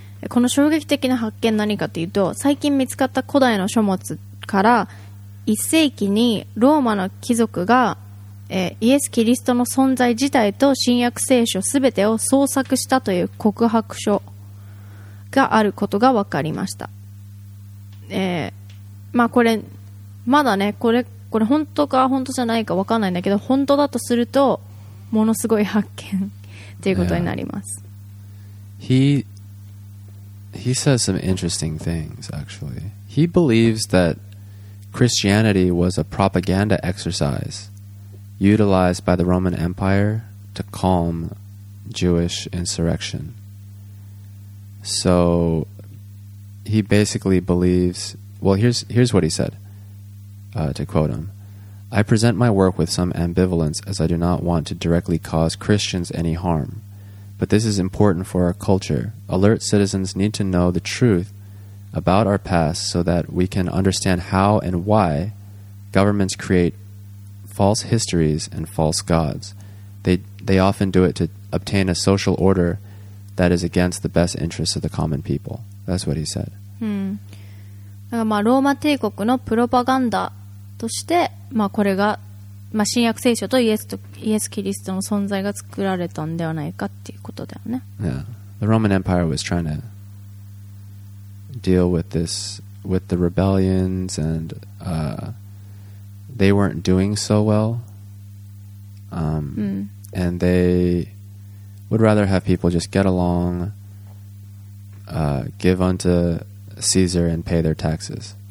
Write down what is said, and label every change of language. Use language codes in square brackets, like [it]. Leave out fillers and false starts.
[ja] この衝撃的な発見何かというと、最近見つかった古代の書物から1世紀にローマの貴族がイエス・キリストの存在自体と新約聖書すべてを創作したという告白書があることが分かりました。これまだね、これ本当か本当じゃないか分かんないんだけど、本当だとするとものすごい発見ということになります。 [en] Yeah. He says some interesting things actually. He believes that Christianity was a propaganda exercise utilized by the Roman Empire to calm Jewish insurrection. So he basically believes, well, here's what he said, to quote him. I present my work with some ambivalence as I do not want to directly cause Christians any harm. But this is important for our culture. Alert citizens need to know the truth about our past so that we can understand how and why governments create false histories and false gods. They often do it to obtain a social order that is against the best interests of the common people. That's what he said. [ja] だからまあローマ帝国のプロパガンダとして、まあこれがまあ新約聖書とイエスキリストの存在が作られたんではないかっていうことだよね。 [en] Yeah. The Roman Empire was trying to deal with this, with the rebellions, and they weren't doing so well. And they would rather have people just get along, give unto Caesar and pay their taxes.